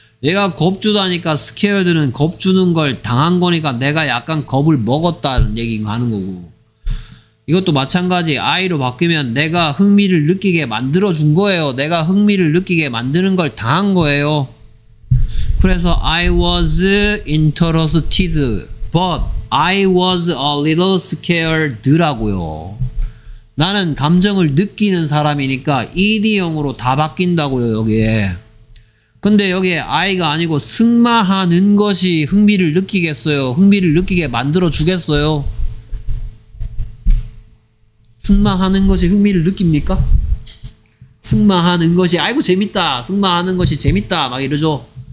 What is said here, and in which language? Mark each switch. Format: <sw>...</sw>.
<ko>얘가 겁 주다니까 scared는 겁 주는 걸 당한 거니까 내가 약간 겁을 먹었다는 얘기가 하는 거고 이것도 마찬가지. I로 바뀌면 내가 흥미를 느끼게 만들어 준 거예요. 내가 흥미를 느끼게 만드는 걸 당한 거예요.</ko> <en>그래서 I was interested, but I was a little scared라고요.</en> <ko>나는 감정을 느끼는 사람이니까 ED형으로 다 바뀐다고요, 여기에. 근데 여기에 아이가 아니고 승마하는 것이 흥미를 느끼겠어요? 흥미를 느끼게 만들어 주겠어요? 승마하는 것이 흥미를 느낍니까? 승마하는 것이 아이고 재밌다, 승마하는 것이 재밌다 막 이러죠.</ko>